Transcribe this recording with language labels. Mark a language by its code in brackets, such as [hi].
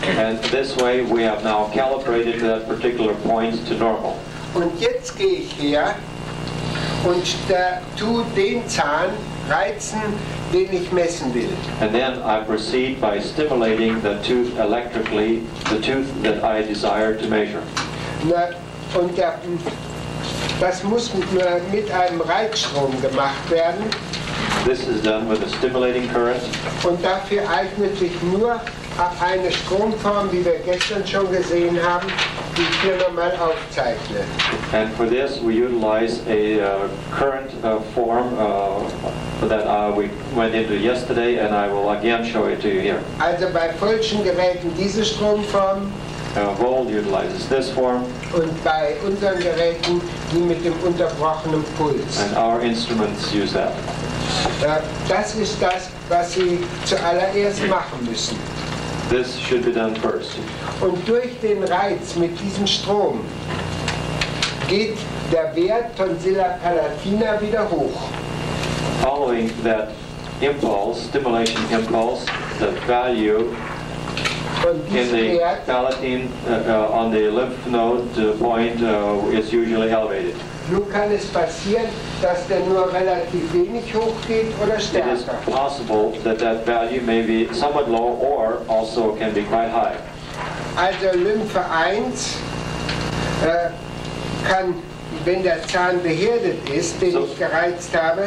[en] And this way we have now calibrated that particular point to normal. [de] Und jetzt gehe ich her und tue den Zahn reizen, den ich messen will. [en] And then I proceed by stimulating the tooth electrically, the tooth that I desire to measure. [de] Na, und der, das muss mit einem Reizstrom gemacht werden. [en] This is done with a stimulating current. [de] Und dafür eignet sich nur eine Stromform, wie wir gestern schon gesehen haben, die ich hier nochmal aufzeichne. [en] And for this we utilize a current form that we went into yesterday, and I will again show it to you here. [de] Also bei falschen Geräten diese Stromform. [en] Volt utilizes this form. [de] Und bei unseren Geräten die mit dem unterbrochenen Puls. [en] And our instruments use that. [de] Das ist das, was Sie zuallererst machen müssen. [en] This should be done first. [de] Und durch den Reiz mit diesem Strom geht der Wert Tonsilla palatina wieder hoch. [en] Following that impulse, stimulation impulse, the value in the palatine on the lymph node point is usually elevated. [de] Nun kann es passieren, dass der nur relativ wenig hochgeht oder stärker. [en] It is possible that that value may be somewhat low or also can be quite high. [de] Also Lymphe 1 kann, wenn der Zahn beherdet ist, den so ich gereizt habe.